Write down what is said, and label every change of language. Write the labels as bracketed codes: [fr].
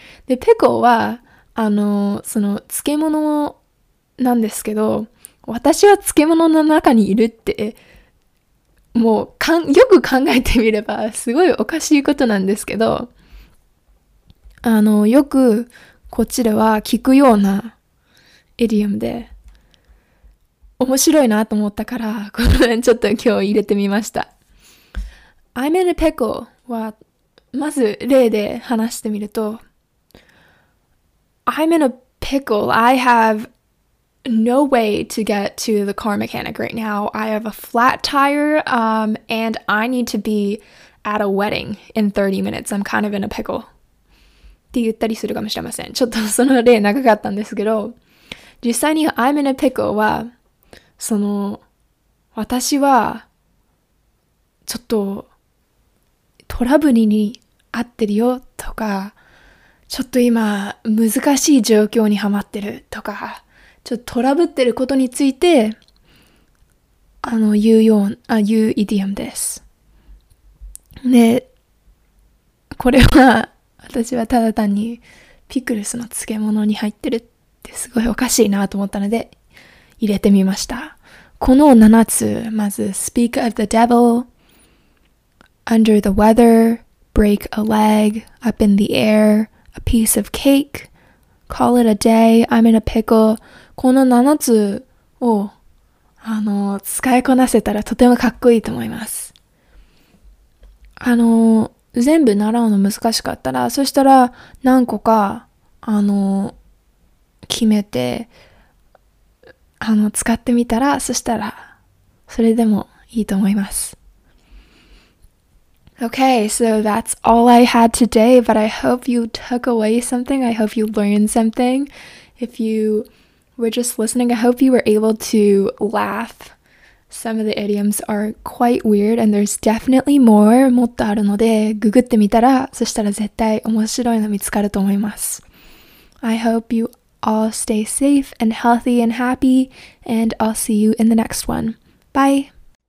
[ja] で、pickle は、その、漬物なんですけど、私は漬物の中にいるって、もう、よく考えてみれば、すごいおかしいことなんですけど、よく、こっちでは聞くようなエディオムで、面白いなと思ったから、この辺ちょっと今日入れてみました。 I'm in a pickle は、まず例で話してみると、I'm in a pickle. [en] I have no way to get to the car mechanic right now. I have a flat tire, and I need to be at a wedding in 30 minutes. I'm kind of in a pickle. [ja] って言ったりするかもしれません。ちょっとその例長かったんですけど、実際に I'm in a pickle は、その、私は、ちょっと、トラブルに合ってるよとか、ちょっと今難しい状況にはまってるとか、ちょっとトラブってることについて、言うイディアムです。で、これは私はただ単にピクルスの漬物に入ってるってすごいおかしいなと思ったので入れてみました。この7つ、まず speak of the devil、under the weather, break a leg, up in the air, a piece of cake, call it a day, I'm in a pickle. この7つを使いこなせたらとてもかっこいいと思います。全部習うの難しかったら、そしたら何個か決めて使ってみたら、そしたらそれでもいいと思います。 [en] Okay, so that's all I had today, but I hope you took away something. I hope you learned something. If you were just listening, I hope you were able to laugh. Some of the idioms are quite weird, and there's definitely more. [ja] もっとあるので、ググってみたら、そしたら絶対面白いの見つかると思います。 I hope you all stay safe and healthy and happy, and I'll see you in the next one. Bye!